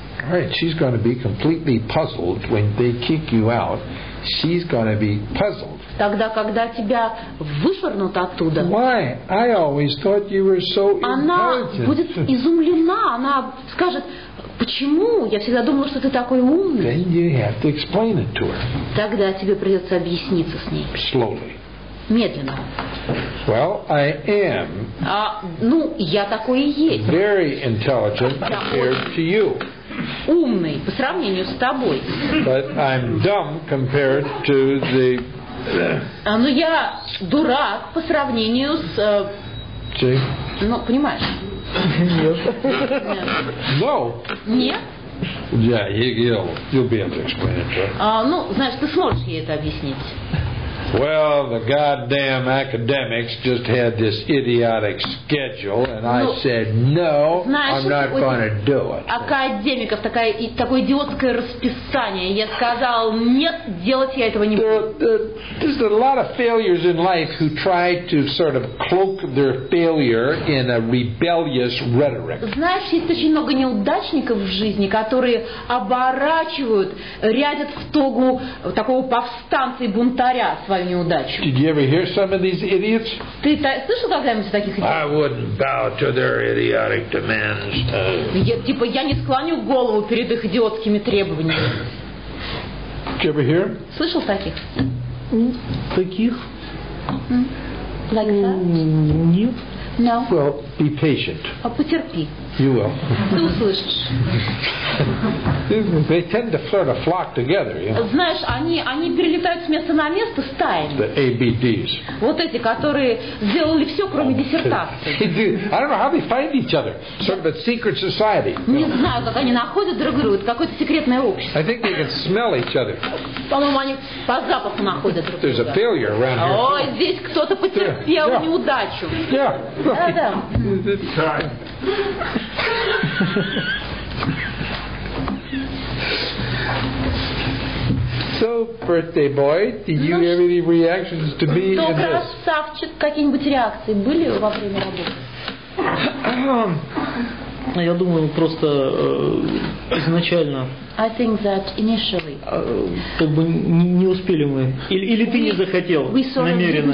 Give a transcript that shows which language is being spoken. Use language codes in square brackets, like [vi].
[en] Right, she's going to be completely puzzled when they kick you out. She's going to be puzzled. [ru] Тогда, когда тебя вышвырнут оттуда. [en] Why? I always thought you were so intelligent. [ru] Она будет изумлена. Она скажет, почему? Я всегда думала, что ты такой умный. [en] Then you have to explain it to her. [ru] Тогда тебе придется объясниться с ней. [en] Slowly. [ru] Медленно. [en] Well, I am. [ru] Ну, я такой и есть. [en] Very intelligent compared to you. [ru] Умный по сравнению с тобой. [en] But I'm dumb compared to the. [ru] Ну я дурак по сравнению с. Ну понимаешь? Нет. [en] No. [ru] Нет. [en] Yeah, you'll be able to explain it. [ru] Ну знаешь, ты сможешь ей это объяснить. [en] Well, the goddamn academics just had this idiotic schedule, and I said, no, I'm not going to do it. [ru] Академиков такое идиотское расписание. Я сказал, нет, делать я этого не буду. [en] There's a lot of failures in life who try to sort of cloak their failure in a rebellious rhetoric. [ru] Знаешь, есть очень много неудачников в жизни, которые оборачивают, рядят в тогу такого повстанца и бунтаря. [en] Did you ever hear some of these idiots? [ru] Ты слышал когда-нибудь таких идиотов? [en] I wouldn't bow to their idiotic demands. [ru] Типа я не склоню голову перед их идиотскими требованиями. [en] Did you ever hear? [ru] Слышал таких? Таких? [en] Like that? [ru] Нет. [en] No. Well, be patient. [ru] Потерпи. [en] You will. [ru] Ты услышишь. [en] They tend to sort of flock together, you know. [ru] Знаешь, они перелетают с места на место стаями. [en] The ABDs. [ru] Вот эти, которые сделали все, кроме диссертации. [en] I don't know how they find each other. Sort of a secret society. [ru] Не знаю, как они находят друг друга. Это какое-то секретное общество. [en] I think they can smell each other. [ru] По-моему, они по запаху находят друг друга. [en] There's a failure around here. [ru] Ой, здесь кто-то потерпел неудачу. [en] Yeah. So, birthday boy, did you have any reactions to me in this? [ru] Красавчик, какие-нибудь реакции были во время работы? Я думаю, просто изначально. [en] I think that initially. [ru] Как бы не успели мы. Или ты не захотел намеренно